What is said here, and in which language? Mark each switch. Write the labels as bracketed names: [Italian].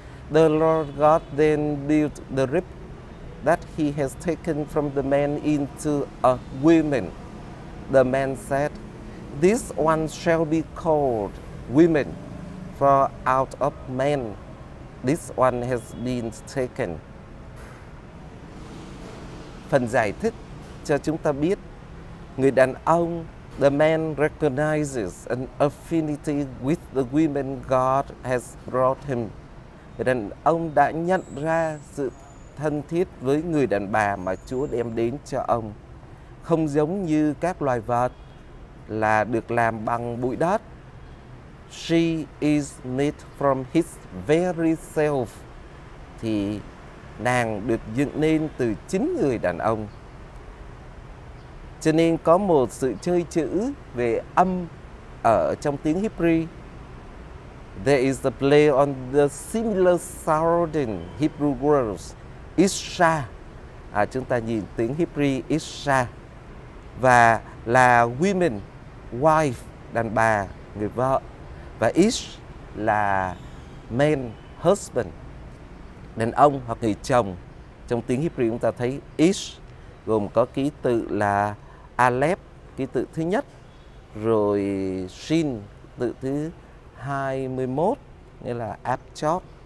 [English] The Lord God then built the rib that he has taken from the man into a woman. The man said, "This one shall be called woman, for out of man this one has been taken." [Vietnamese] Phần giải thích cho chúng ta biết, người đàn ông, [English] the man recognizes an affinity with the woman God has brought him. [Vietnamese] Người đàn ông đã nhận ra sự thân thiết với người đàn bà mà Chúa đem đến cho ông. Không giống như các loài vật là được làm bằng bụi đất. [English] She is made from his very self. [Vietnamese] Thì nàng được dựng nên từ chính người đàn ông. Cho nên có một sự chơi chữ về âm ở trong tiếng Hebrew. [English] There is a play on the similar sounding Hebrew words, Isha. [Vietnamese] Chúng ta nhìn tiếng Hebrew Isha. Và là [English] women, wife, [Vietnamese] đàn bà, người vợ. Và Ish là [English] man, husband, [Vietnamese] đàn ông hoặc người chồng. Trong tiếng Hebrew chúng ta thấy Ish gồm có ký tự là Aleph, ký tự thứ nhất, rồi Shin, tự thứ 21, nghĩa là Apchot.